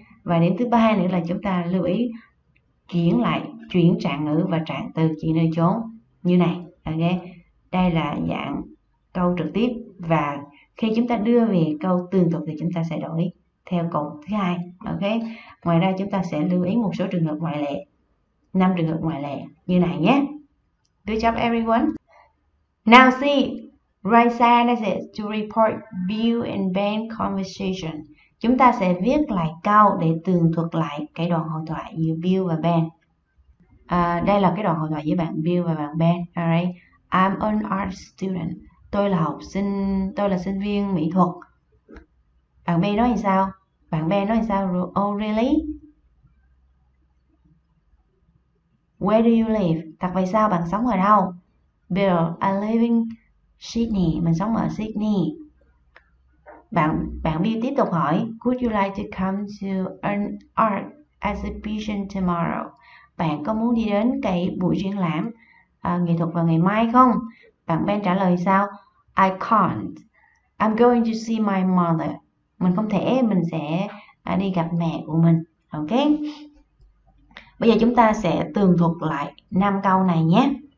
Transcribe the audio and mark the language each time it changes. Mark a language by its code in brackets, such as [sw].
[vi] Và điểm thứ ba nữa là chúng ta lưu ý chuyển lại, chuyển trạng ngữ và trạng từ chỉ nơi chốn như này. Ok. Đây là dạng câu trực tiếp và khi chúng ta đưa về câu tường thuật thì chúng ta sẽ đổi theo câu thứ hai. Ok. Ngoài ra chúng ta sẽ lưu ý một số trường hợp ngoại lệ. 5 trường hợp ngoại lệ như này nhé. [en] Good job everyone. Now see, write sentences to report Bill and Ben conversation. [vi] Chúng ta sẽ viết lại câu để tường thuật lại cái đoạn hội thoại giữa Bill và Ben. Đây là cái đoạn hội thoại giữa bạn Bill và bạn Ben. [en] Alright. I'm an art student. [vi] Tôi là học sinh, tôi là sinh viên mỹ thuật. Bạn Ben nói sao? Bạn Ben nói sao? [en] Oh really? Where do you live? [vi] Thật vậy sao? Bạn sống ở đâu? [en] Bill, I live in Sydney. [vi] Mình sống ở Sydney. Bạn Bill tiếp tục hỏi, [en] could you like to come to an art exhibition tomorrow? [vi] Bạn có muốn đi đến cái buổi triển lãm nghệ thuật vào ngày mai không? Bạn Ben trả lời sao? [en] I can't. I'm going to see my mother. [vi] Mình không thể, mình sẽ đi gặp mẹ của mình. Ok. Bây giờ chúng ta sẽ tường thuật lại 5 câu này nhé.